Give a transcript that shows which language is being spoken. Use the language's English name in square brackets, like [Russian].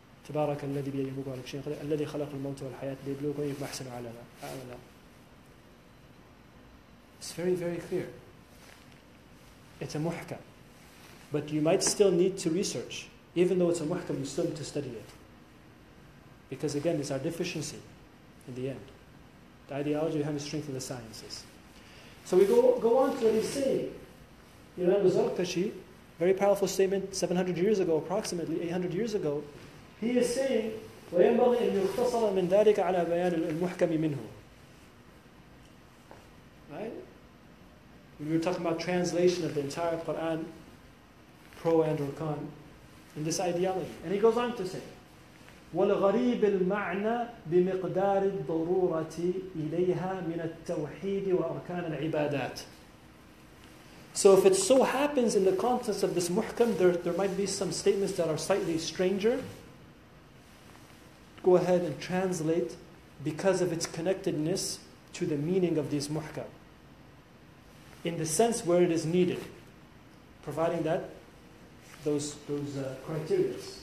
[Arabic] تبارك الذي بيده ملك كل شيء الذي خلق الموت والحياة ليبلوكم أيكم أحسن عملا. [English] It's very, very clear. It's a muhkam. But you might still need to research. Even though it's a muhkam, you still need to study it. Because again, it's our deficiency in the end. The ideology behind the strength of the sciences. So we go on to what he's saying. Imam Zarqashi, very powerful statement, 700 years ago, approximately 800 years ago, he is saying, [Arabic] وَيَنْبَغِي أَنْ يُخْتَصَرَ مِنْ ذَلِكَ عَلَى بَيَانِ الْمُحْكَمِ مِنْهُ. [English] Right? When we were talking about translation of the entire Qur'an, pro and or con, in this ideology. And he goes on to say, [Arabic] وَالْغَرِيبِ الْمَعْنَى بِمِقْدَارِ الضَّرُورَةِ إِلَيْهَا مِنَ التَّوْحِيدِ وَأَرْكَانَ الْعِبَادَاتِ. [English] So if it so happens in the context of this muhkam, there might be some statements that are slightly stranger. Go ahead and translate because of its connectedness to the meaning of this muhkam. In the sense where it is needed. Providing that, those criteria.